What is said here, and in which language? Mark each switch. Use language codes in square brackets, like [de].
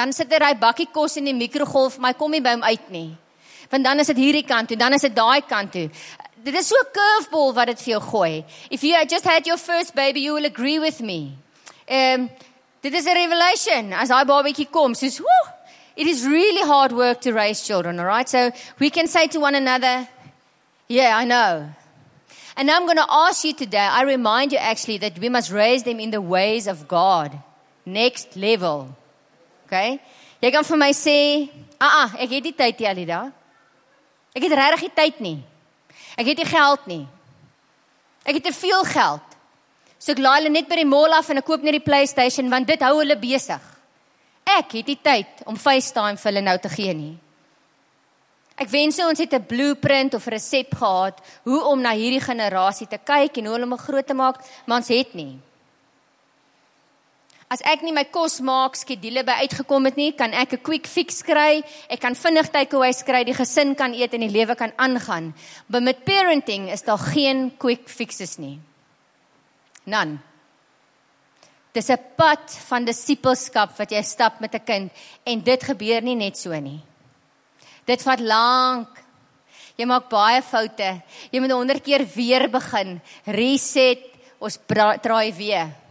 [af] Dan sit hy bakkie kos in die mikrogolf, maar hy kom nie by hom uit nie. Want dan is dit hierdie kant toe, dan is dit daai kant toe. Dit is so 'n curveball wat dit vir jou gooi. [en] If you just had your first baby, you will agree with me. [af] Dit is 'n revelation. As daai babietjie kom, soos, [en] whew, it is really hard work to raise children, all right? So we can say to one another, yeah, I know. And I'm going to ask you today, I remind you actually that we must raise them in the ways of God. Next level. Okay? [af] Jy kan vir my sê, ek het die tyd nie, Alida. Ek het regtig die tyd nie. Ek het die geld nie. Ek het te veel geld. So ek laai hulle net by die mall af en ek koop net die PlayStation, want dit hou hulle besig. Ek het die tyd om FaceTime vir hulle nou te gee nie. Ek wens so ons het 'n blueprint of resep gehad hoe om na hierdie generasie te kyk en hoe hulle moet groot maak, maar ons het nie. As ek nie my kos maak, skedule by uitgekom het nie, kan ek 'n quick fix kry, ek kan vinnig takeaway kry, die gesin kan eet en die lewe kan aangaan. Maar met parenting is daar geen quick fixes nie. [en] None. [af] Dis 'n pad van disippelskap wat jy stap met 'n kind en dit gebeur nie net so nie. Dit vat lank. Jy maak baie foute. Jy moet 100 keer weer begin. Reset, ons draai weer.